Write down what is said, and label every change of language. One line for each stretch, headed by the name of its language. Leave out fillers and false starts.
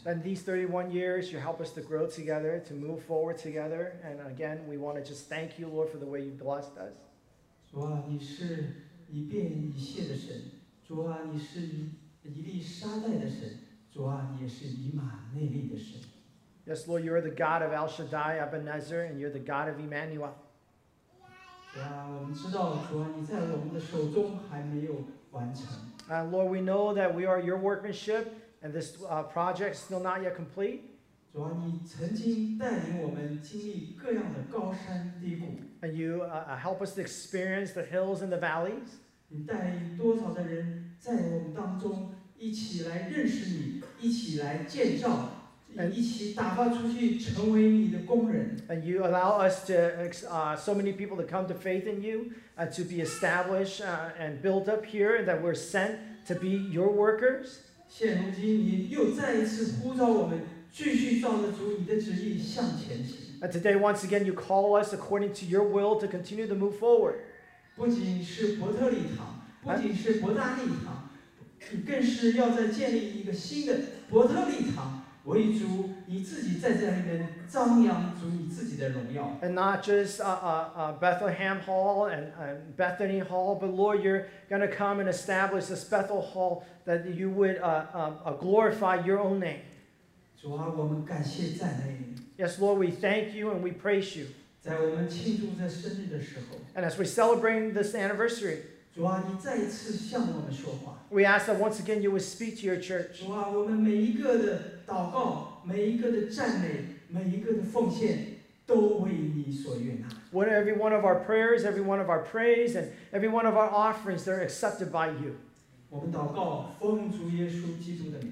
English: And these 31 years, you help us to grow together, to move forward together. And again, we want to just thank you, Lord, for the way you blessed us.
Chinese: 主啊，你是以变以谢的神。主啊，你是以利沙代的神。主啊，你也是以马内利的神。
English: Yes, Lord, you are the God of El Shaddai, Ebenezer, and you're the God of Emmanuel.
Chinese: 主啊，我们知道，主啊，你在我们的手中还没有完成。
English: Lord, we know that we are your workmanship, and this project is still not yet complete.
Chinese: 主啊，你曾经带领我们经历各样的高山低谷。
English: And you help us to experience the hills and the valleys.
Chinese: 你带领多少的人在我们当中一起来认识你，一起来建造，一起打发出去成为你的工人。
English: And you allow us to so many people to come to faith in you, to be established and built up here, and that we're sent to be your workers.
Chinese: 现如今你又再一次呼召我们。继续照着主你的旨意向前行。
English: And today, once again, you call us according to your will to continue to move forward.
Chinese: 不仅是伯特利堂，不仅是伯大利堂，更是要再建立一个新的伯特利堂，为主你自己在这里面张扬主你自己的荣耀。
English: And not just Bethlehem Hall and Bethany Hall, but Lord, you're going to come and establish this Bethel Hall that you would glorify your own name.
Chinese: 主啊，我们感谢赞美你。
English: Yes, Lord, we thank you and we praise you.
Chinese: 在我们庆祝这生日的时候
English: ，and as we celebrate this anniversary,
Chinese: 主啊，你再一次向我们说话。
English: We ask that once again you would speak to your church.
Chinese: 主啊，我们每一个的祷告，每一个的赞美，每一个的奉献，都为你所悦纳。
English: What every one of our prayers, every one of our praise, and every one of our offerings, they're accepted by you.
Chinese: 我们祷告，奉主耶稣基督的名。